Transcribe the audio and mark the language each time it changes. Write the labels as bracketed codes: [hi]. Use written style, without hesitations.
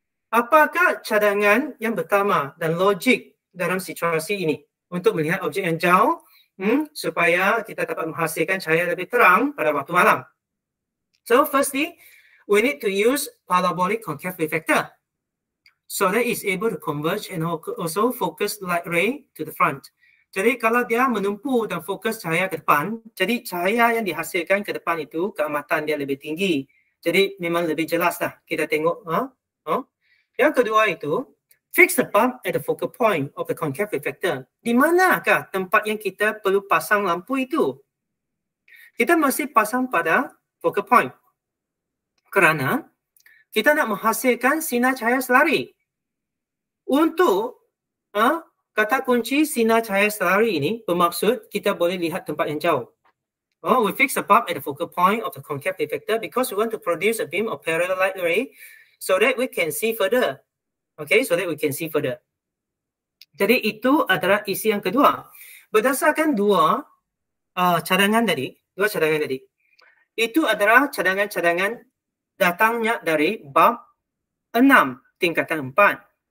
[ms] Apakah cadangan yang pertama dan logik dalam situasi ini untuk melihat objek yang jauh supaya kita dapat menghasilkan cahaya lebih terang pada waktu malam? [en] So firstly, we need to use parabolic concave reflector so that it's able to converge and also focus light ray to the front. [ms] Jadi kalau dia menumpu dan fokus cahaya ke depan, jadi cahaya yang dihasilkan ke depan itu keamatan dia lebih tinggi. Jadi memang lebih jelas lah kita tengok. Yang kedua itu, [en] fix the bulb at the focal point of the concave reflector. [ms] Di manakah tempat yang kita perlu pasang lampu itu? Kita mesti pasang pada focal point. Kerana kita nak menghasilkan sinar cahaya selari. Untuk kata kunci sinar cahaya selari ini bermaksud kita boleh lihat tempat yang jauh. [en] We fix the bulb at the focal point of the concave reflector because we want to produce a beam of parallel light ray so that we can see further. Okay, so that we can see further. [ms] Jadi itu adalah isi yang kedua. Berdasarkan dua cadangan tadi, itu adalah cadangan-cadangan datangnya dari bab 6 tingkatan 4.